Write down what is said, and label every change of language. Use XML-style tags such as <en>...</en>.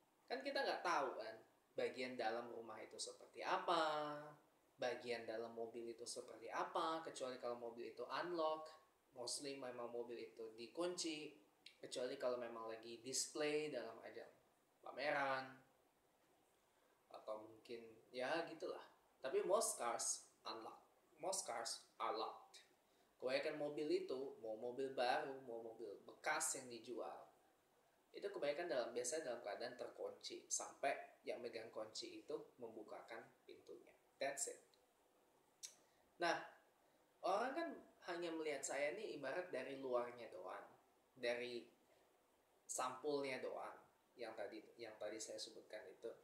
<id>Kan kita gak tahu kan bagian dalam rumah itu seperti apa, bagian dalam mobil itu seperti apa, kecuali kalau mobil itu unlock, mostly memang mobil itu dikunci, kecuali kalau memang lagi display dalam ajang pameran, atau mungkin, ya gitulah. Tapi</id> <en>most cars unlock, most cars are locked.</en> <id>Kebanyakan mobil itu, mau mobil baru, mau mobil bekas yang dijual, itu kebanyakan biasanya dalam keadaan terkunci sampai yang megang kunci itu membukakan pintunya.</id> <en>That's it.</en> <id>Nah, orang kan hanya melihat saya ini ibarat dari luarnya doang, dari sampulnya doang yang tadi saya sebutkan itu.</id>